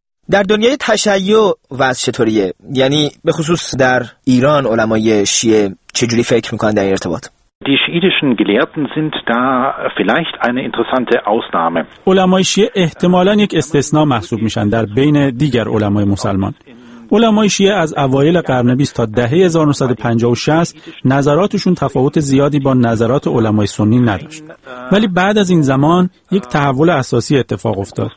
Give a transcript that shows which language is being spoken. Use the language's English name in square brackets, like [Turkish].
[Persian] در دنیای تشیع وضع چطوریه؟ یعنی به خصوص در ایران علمای شیعه چجوری فکر میکنن در این ارتباط؟ [German] Die schiitischen Gelehrten sind da vielleicht eine interessante Ausnahme. [Persian] علمای شیعه احتمالاً یک استثناء محسوب میشن در بین دیگر علمای مسلمان. علمای شیعه از اوایل قرن 20 تا دهه 1950 و 60 نظراتشون تفاوت زیادی با نظرات علمای سنی نداشت. ولی بعد از این زمان یک تحول اساسی اتفاق افتاد.